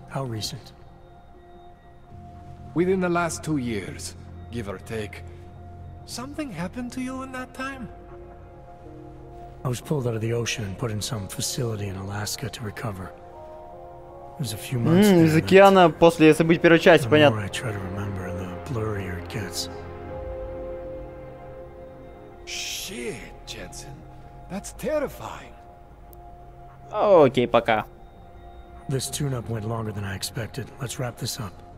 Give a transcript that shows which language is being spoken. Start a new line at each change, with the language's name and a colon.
English: How recent? Within the last 2 years, give or take. Something happened to you in that time? I was pulled out of the ocean and put in some facility in Alaska to recover. It was a few months there,
Russian: из океана после событий первой части, понятно.
English: The more I try to remember, the blurrier it gets. Shit, Jensen. That's terrifying.
Russian: Окей, пока.
English: This tune-up went longer than I expected. Let's wrap this up.